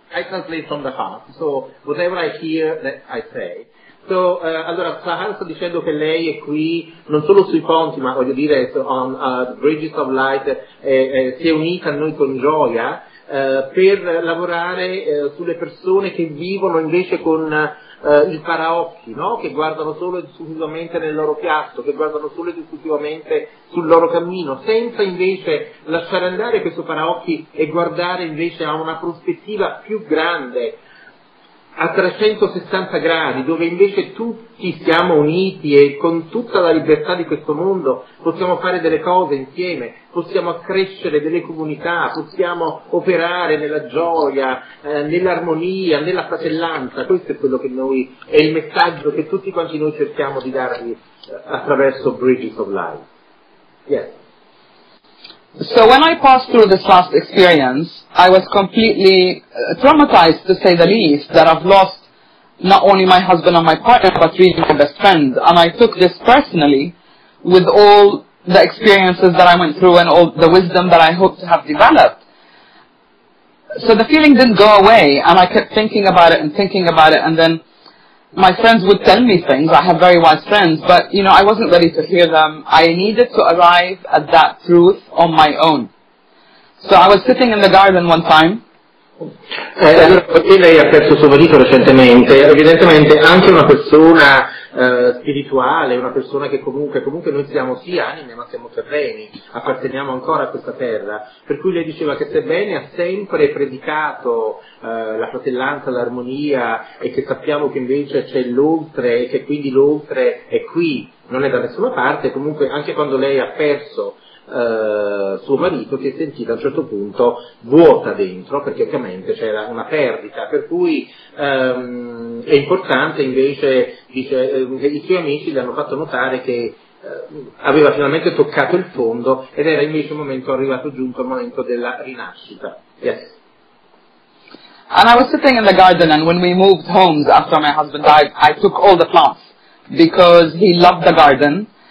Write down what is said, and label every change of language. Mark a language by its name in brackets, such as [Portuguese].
[English] I translate from the heart, so whatever I hear, that I say. [Italian] So, allora, Sahara sta dicendo che lei è qui, non solo sui ponti, ma voglio dire, on Bridges of Light, si è unita a noi con gioia, per lavorare sulle persone che vivono invece con il paraocchi, no? Che guardano solo ed esclusivamente nel loro piatto, che guardano solo ed esclusivamente sul loro cammino, senza invece lasciare andare questo paraocchi e guardare invece a una prospettiva più grande, a 360 gradi, dove invece tutti siamo uniti e con tutta la libertà di questo mondo possiamo fare delle cose insieme, possiamo accrescere delle comunità, possiamo operare nella gioia, nell'armonia, nella fratellanza. Questo è quello che noi, è il messaggio che tutti quanti noi cerchiamo di darvi attraverso Bridges of Life. [English] Yes. So when I passed through this last experience, I was completely traumatized, to say the least, that I've lost not only my husband and my partner, but really my best friend. And I took this personally with all the experiences that I went through and all the wisdom that I hope to have developed. So the feeling didn't go away, and I kept thinking about it and thinking about it, and then my friends would tell me things. I have very wise friends, but, you know, I wasn't ready to hear them. I needed to arrive at that truth on my own. So I was sitting in the garden one time. [Italian] Allora, perché lei ha perso suo marito recentemente, evidentemente anche una persona spirituale, una persona che comunque noi siamo sì anime, ma siamo terreni, apparteniamo ancora a questa terra, per cui lei diceva che sebbene ha sempre predicato la fratellanza, l'armonia, e che sappiamo che invece c'è l'oltre e che quindi l'oltre è qui, non è da nessuna parte, comunque anche quando lei ha perso suo marito si è sentita a un certo punto vuota dentro, perché ovviamente c'era una perdita, per cui è importante invece, dice, che i suoi amici le hanno fatto notare che aveva finalmente toccato il fondo ed era invece un momento arrivato giunto al momento della rinascita. [English] Yes. And I was sitting in the garden, and when we moved homes after my husband died, I took all the plants because he loved the garden.